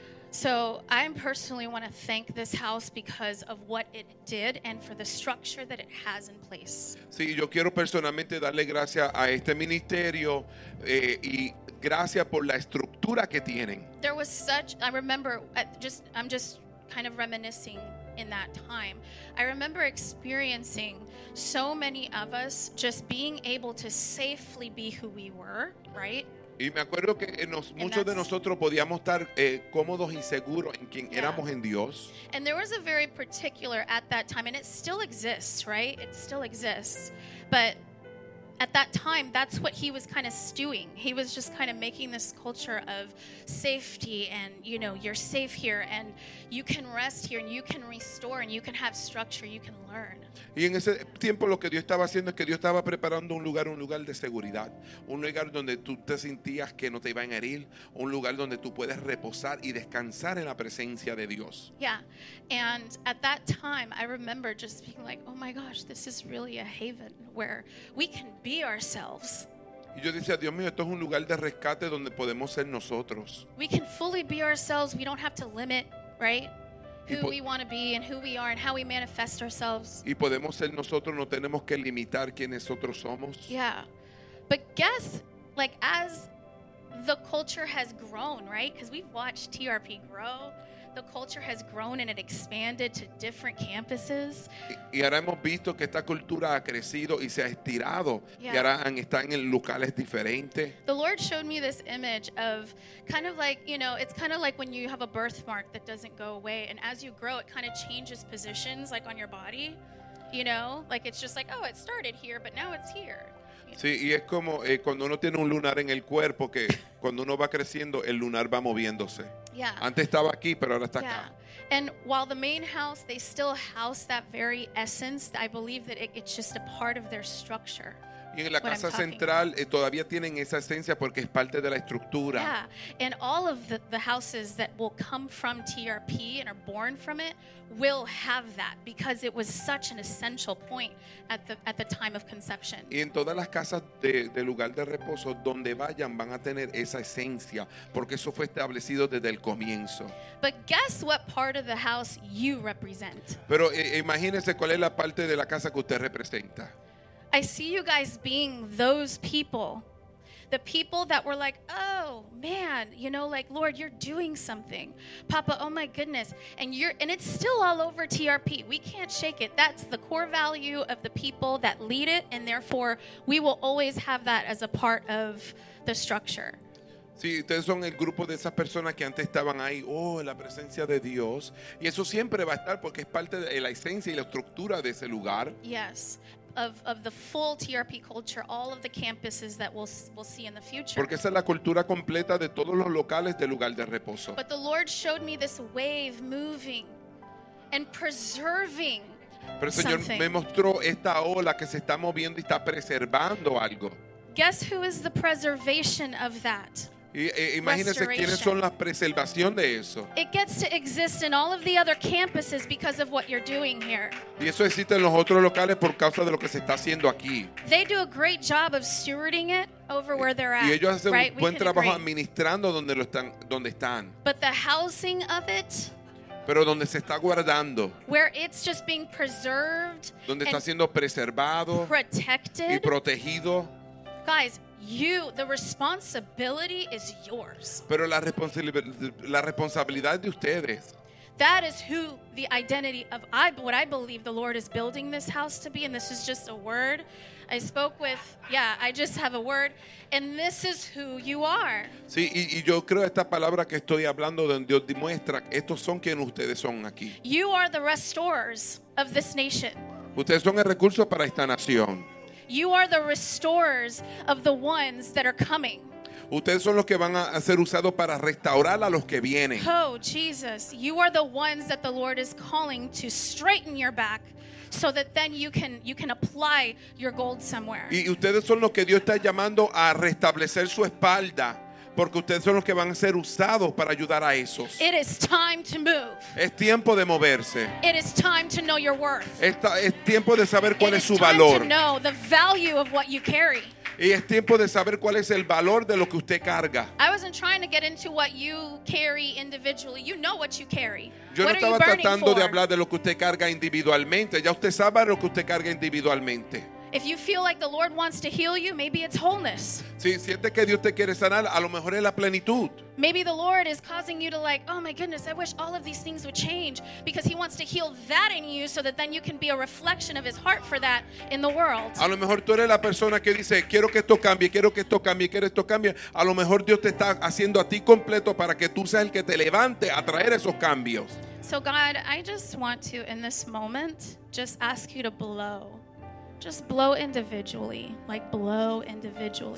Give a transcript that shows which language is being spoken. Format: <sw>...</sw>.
<en>So I personally want to thank this house because of what it did and for the structure that it has in place.</en> <es>Sí, yo quiero personalmente darle gracias a este ministerio y gracias por la estructura que tienen.</es> <en>There was such, I remember, I'm just kind of reminiscing in that time. I remember experiencing so many of us just being able to safely be who we were, right?</en> <es>Y me acuerdo que nos, muchos de nosotros podíamos estar cómodos y seguros en quien éramos en Dios.</es> <en>And there was a very particular at that time, and it still exists, right? It still exists. But at that time, that's what he was kind of stewing. He was just kind of making this culture of safety and, you know, you're safe here and you can rest here and you can restore and you can have structure, you can learn.</en> <es>Y en ese tiempo lo que Dios estaba haciendo es que Dios estaba preparando un lugar de seguridad, un lugar donde tú te sentías que no te iban a herir, un lugar donde tú puedes reposar y descansar en la presencia de Dios.</es> <en>Yeah, and at that time, I remember just being like, oh my gosh, this is really a haven where we can be ourselves.</en> <es>Y yo decía, Dios mío, esto es un lugar de rescate donde podemos ser nosotros.</es> <en>We can fully be ourselves, we don't have to limit, right? Who we want to be and who we are and how we manifest ourselves.</en> <es>Y podemos ser nosotros, no tenemos que limitar quiénes nosotros somos.</es> <en>Yeah. But guess, like, as the culture has grown, right? Because we've watched TRP grow. The culture has grown and it expanded to different campuses.</en> <es>Y ahora hemos visto que esta cultura ha crecido y se ha estirado. Yeah. Y ahora están en locales diferentes.</es> <en>The Lord showed me this image of kind of like, you know, it's kind of like when you have a birthmark that doesn't go away. And as you grow, it kind of changes positions like on your body, you know, like it's just like, oh, it started here, but now it's here.</en> <es>Sí, y es como cuando uno tiene un lunar en el cuerpo que cuando uno va creciendo el lunar va moviéndose.</es> <en>Yeah.</en> <es>Antes estaba aquí, pero ahora está acá.</es> <en>And while the main house, they still house that very essence, I believe that it's just a part of their structure.</en> <es>Y en la casa central todavía tienen esa esencia porque es parte de la estructura.</es> <en>Yeah. And all of the houses that will come from TRP and are born from it will have that because it was such an essential point at the time of conception.</en> <es>Y en todas las casas de lugar de reposo donde vayan van a tener esa esencia porque eso fue establecido desde el comienzo.</es> <en>But guess what part of the house you represent.</en> <es>Pero imagínese cuál es la parte de la casa que usted representa.</es> <en>I see you guys being those people. The people that were like, oh man, you know, like, Lord, you're doing something. Papa, oh my goodness. And it's still all over TRP. We can't shake it. That's the core value of the people that lead it. And therefore, we will always have that as a part of the structure.</en> <es>Sí, ustedes son el grupo de esas personas que antes estaban ahí, oh, la presencia de Dios. Y eso siempre va a estar porque es parte de la esencia y la estructura de ese lugar.</es> <en>Yes. Of the full TRP culture, all of the campuses that we'll see in the future.</en> <es>Porque esa es la cultura completa de todos los locales del lugar de reposo.</es> <en>But the Lord showed me this wave moving and preserving.</en> <es>Pero el Señor</es> <en>something.</en> <es>Me mostró esta ola que se está moviendo y está preservando algo.</es> <en>Guess who is the preservation of that?</en> <es>Imagínense quiénes son la preservación de eso.</es> <en>It gets to exist in all of the other campuses because of what you're doing here.</en> <es>Y eso existe en los otros locales por causa de lo que se está haciendo aquí.</es> <en>They do a great job of stewarding it over where they're at.</en> <es>Y ellos hacen</es> <en>right?</en> <es>un buen trabajo administrando donde están.</es> <en>But the housing of it.</en> <es>Pero donde se está guardando.</es> <en>Where it's just being preserved.</en> <es>Donde está siendo preservado.</es> <en>Protected.</en> <es>Y protegido.</es> <en>Guys. You, the responsibility is yours.</en> <es>Pero la responsabilidad de ustedes.</es> <en>That is who the identity of what I believe the Lord is building this house to be, and this is just a word. I spoke with, yeah, I just have a word, and this is who you are.</en> <es>Sí, y yo creo esta palabra que estoy hablando donde Dios demuestra estos son quienes ustedes son aquí.</es> <en>You are the restorers of this nation.</en> <es>Ustedes son el recurso para esta nación.</es> <en>You are the restorers of the ones that are coming.</en> <es>Ustedes son los que van a ser usados para restaurar a los que vienen.</es> <en>Oh, Jesus, you are the ones that the Lord is calling to straighten your back so that then you can apply your gold somewhere.</en> <es>Y ustedes son los que Dios está llamando a restablecer su espalda porque ustedes son los que van a ser usados para ayudar a esos.</es> <en>It is time to move.</en> <es>Es tiempo de moverse.</es> <en>It is time to know your worth.</en> <es>Es tiempo de saber cuál</es> <en>it</en> <es>es su valor.</es> <en>To know the value of what you carry.</en> <es>Y es tiempo de saber cuál es el valor de lo que usted carga.</es> <en>I wasn't trying to get into what you carry individually. You know what you carry.</en> <es>Yo</es> <en>what</en> <es>no estaba tratando de hablar de lo que usted carga individualmente. Ya usted sabe lo que usted carga individualmente.</es> <en>If you feel like the Lord wants to heal you, maybe it's wholeness.</en> <es>Si sientes que Dios te quiere sanar, a lo mejor es la plenitud.</es> <en>Maybe the Lord is causing you to like, oh my goodness, I wish all of these things would change, because he wants to heal that in you so that then you can be a reflection of his heart for that in the world.</en> <es>A lo mejor tú eres la persona que dice, quiero que esto cambie, quiero que esto cambie, quiero que esto cambie. A lo mejor Dios te está haciendo a ti completo para que tú seas el que te levante a traer esos cambios.</es> <en>So God, I just want to, in this moment, just ask you to blow. Just blow individually, like blow individually.</en>